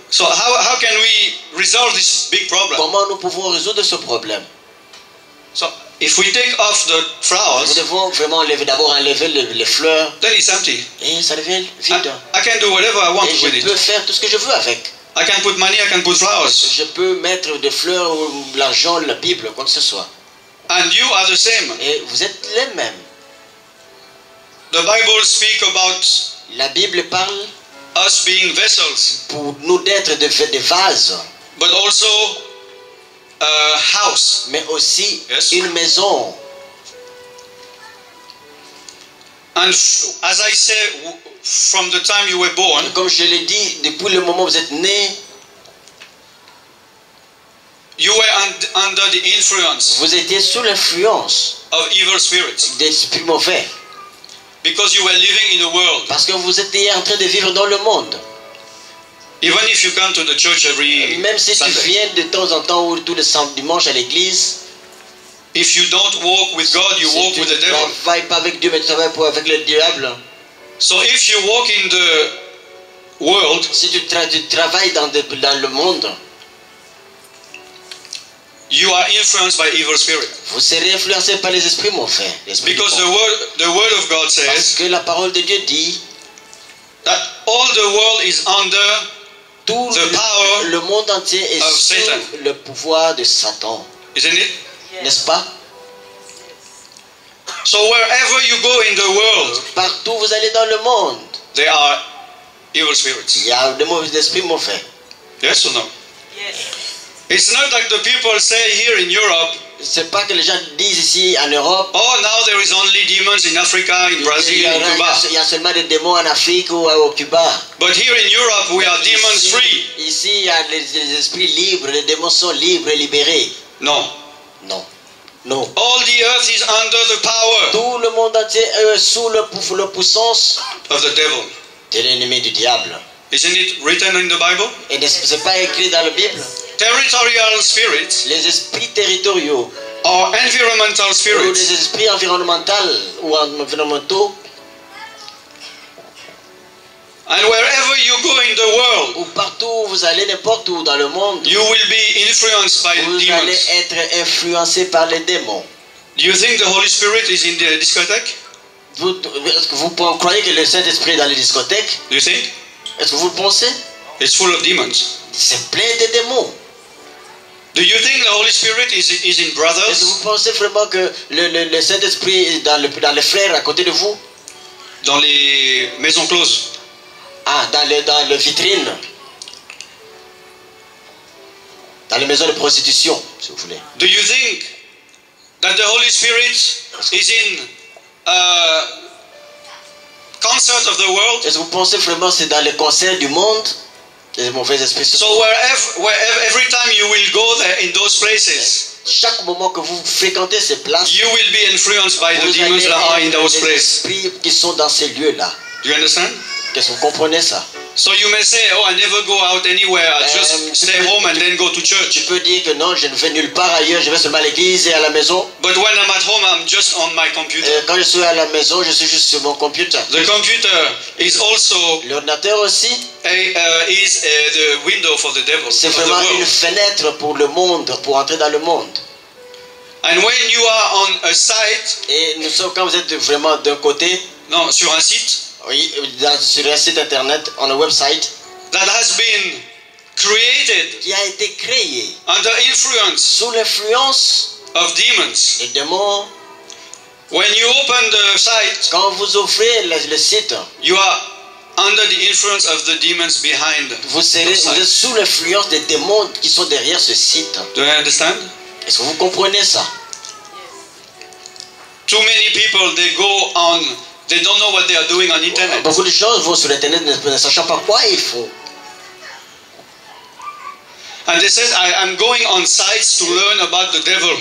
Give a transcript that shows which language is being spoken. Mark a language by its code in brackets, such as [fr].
[en] So how can we resolve this big problem? [fr] Comment nous pouvons résoudre ce problème? [en] So if we take off the flowers, [fr] nous devons vraiment enlever, d'abord enlever les fleurs. [en] Then it's empty. [fr] Et ça devient vide. [en] I can do whatever I want [fr] et [en] with it. [fr] Je peux faire tout ce que je veux avec. [en] I can put money. I can put flowers. [fr] Je peux mettre des fleurs ou l'argent, la Bible, quoi que ce soit. [en] And you are the same. [fr] Et vous êtes les mêmes. [en] The Bible speak about. [fr] La Bible parle. [en] Us being vessels. [fr] Pour nous d'être des vases. [en] But also. A house, [fr] mais aussi [en] yes. [fr] une maison. [en] And as I say, from the time you were born, [fr] comme je l'ai dit, depuis le moment où vous êtes né, [en] you were under the influence. [fr] Vous étiez sous l'influence [en] of evil spirits. [fr] D'esprits mauvais. [en] Because you were living in the world. [fr] Parce que vous étiez en train de vivre dans le monde. [en] Even if you come to the church every [fr] même si [en] Sunday, [fr] tu viens de temps en temps ou tous les dimanches à l'église, [en] if you don't walk with God, you [fr] si [en] walk with the devil. [fr] Tu ne travailles pas avec Dieu, mais tu travailles pour avec le diable. [en] So if you walk in the world, [fr] si tu travailles dans le monde, [en] you are influenced by evil spirit. [fr] Vous serez influencé par les esprits mauvais. [en] Because the word of God says, [fr] parce que la parole de Dieu dit, [en] that all the world is under [fr] tout [en] the power [fr] le monde entier est [en] of [fr] sous [en] Satan. [fr] Le pouvoir de Satan. [en] Isn't it? [fr] N'est-ce pas? [en] So wherever you go in the world, [fr] partout vous allez dans le monde, [en] there are evil spirits. [fr] Il y a des mauvais esprits mauvais. [en] Yes or no? Yes. It's not like the people say here in Europe. [fr] C'est pas que les gens disent ici en Europe. [en] Oh, now there is only demons in Africa, in Brazil, in Cuba. [fr] Il y a seulement des démons en Afrique ou au Cuba. [en] But here in Europe, we are demons free. [fr] Ici, il y a les esprits libres, les démons sont libres et libérés. Non. Non. Non. [en] All the earth is under the power. [fr] Tout le monde entier est sous la puissance [en] of the devil. [fr] De l'ennemi du diable. [en] Isn't it written in the Bible? [fr] Et n'est-ce pas écrit dans la Bible? [en] Territorial spirits, [fr] les esprits territoriaux, [en] or environmental spirits, [fr] ou les esprits environnementaux ou environnementaux. [en] And wherever you go in the world, [fr] ou partout où vous allez, n'importe où dans le monde, [en] you will be influenced by [fr] vous [en] demons. [fr] Allez être influencé par les démons. [en] Do you think the Holy Spirit is in the discotheque? [fr] Vous croyez que le Saint-Esprit est dans les discothèques? [en] Do you think? [fr] Est-ce que vous le pensez? [en] It's full of demons. [fr] C'est plein de démons. [en] Do you think the Holy Spirit is in brothers? [fr] Est-ce que vous pensez vraiment que le Saint-Esprit est dans les frères à côté de vous? Dans les maisons closes. Ah, dans le vitrine. Dans les maisons de prostitution, si vous voulez. [en] Do you think that the Holy Spirit is in concert of the world? [fr] Est-ce que vous pensez vraiment que c'est dans les concerts du monde? Les mauvais esprits. [en] So wherever every time you will go there in those places, [fr] chaque moment que vous fréquentez ces places, [en] you will be influenced by the demons that are in those places. [fr] Les esprits qui sont dans ces lieux-là. [en] Do you understand? [fr] Qu'est-ce que vous comprenez ça? [en] So you may say, oh, I never go out anywhere. I just stay home and then go to church. [fr] Tu peux dire que non, je ne vais nulle part ailleurs. Je vais seulement à l'église et à la maison. [en] But when I'm at home, I'm just on my computer. [fr] Quand je suis à la maison, je suis juste sur mon computer. [en] The computer is also. [fr] L'ordinateur aussi. [en] Is the window for the devil. [fr] C'est vraiment une fenêtre pour le monde, pour entrer dans le monde. [en] And when you are on a site. [fr] Et nous sommes quand vous êtes vraiment d'un côté. Non, sur un site. Oui, sur un site internet, [en] on a website that has been created [fr] qui a été créé [en] under influence [fr] sous l'influence [en] of demons [fr] et démons. [en] When you open the site, [fr] quand vous ouvrez le site, [en] you are under the influence of the demons behind. [fr] Vous serez sous l'influence des démons qui sont derrière ce site. [en] Do you understand? [fr] Est-ce que vous comprenez ça? [en] Too many people they go on, they don't know what they are doing on internet. [fr] Beaucoup de gens vont sur internet ne sachant pas quoi ils font. [en] And they said, I'm going on sites to learn about the devil.